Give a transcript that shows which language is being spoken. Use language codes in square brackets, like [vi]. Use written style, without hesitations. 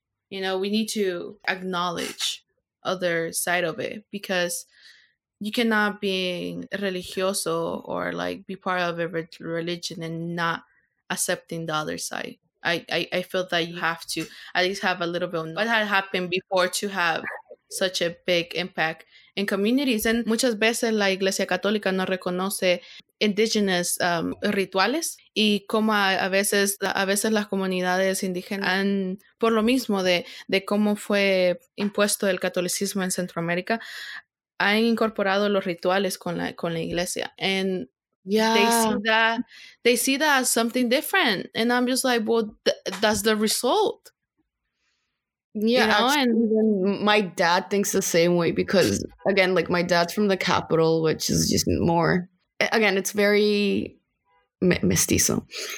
[en] You know, we need to acknowledge other side of it, because you cannot be religioso or like be part of a religion and not accepting the other side. I feel that you have to at least have a little bit of what had happened before to have such a big impact in communities. And [es] muchas veces la Iglesia Católica no reconoce indigenous rituales, y como a veces las comunidades indígenas han, por lo mismo de cómo fue impuesto el catolicismo en Centroamérica, han incorporado los rituales con la iglesia. [en] And yeah, they see that as something different, and I'm just like, well, that's the result. Yeah, you know? Actually, my dad thinks the same way, because again, like, my dad's from the capital, which is just more, again, it's very mestizo.